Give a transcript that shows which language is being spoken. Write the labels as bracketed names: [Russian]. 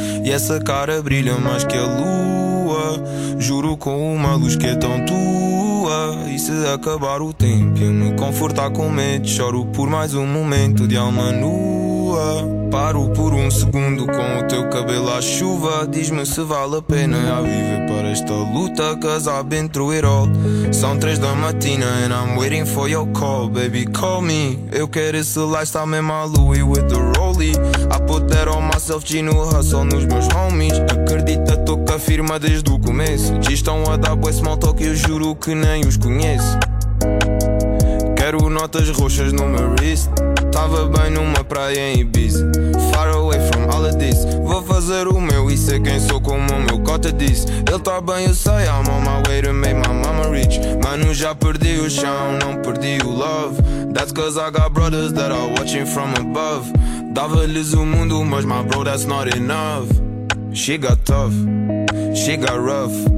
[Portuguese] E essa cara brilha mais que a lua. Juro com uma luz que é tão tua. E se acabar o tempo e eu me confortar com medo, choro por mais um momento de alma nua. Paro por um segundo com o teu cabelo à chuva. Diz-me se vale a pena a viver para esta luta. [English] Cause I've been through it all. [Portuguese] São 3 da matina [English] and I'm waiting for your call. Baby, call me. [Portuguese] Eu quero esse lifestyle mesmo a [English] Louis with the Rollie. I put that on myself, G no hustle [Portuguese] nos meus [English] homies. [Portuguese] Acredita, tô com a firma desde o começo. G estão a dar boy small talk, eu juro que nem os conheço. Quero notas roxas no meu wrist. Tava bem numa praia em Ibiza, [English] far away from all of this. [Portuguese] Vou fazer o meu e ser quem sou como o meu cota disse. Ele tá bem, eu sei, [English] I'm on my way to make my mama rich. [Portuguese] Mano, já perdi o chão, não perdi o love. [English] That's cause I got brothers that are watching from above. [Portuguese] Dava-lhes o mundo, mas [English] my bro, that's not enough. She got tough, she got rough.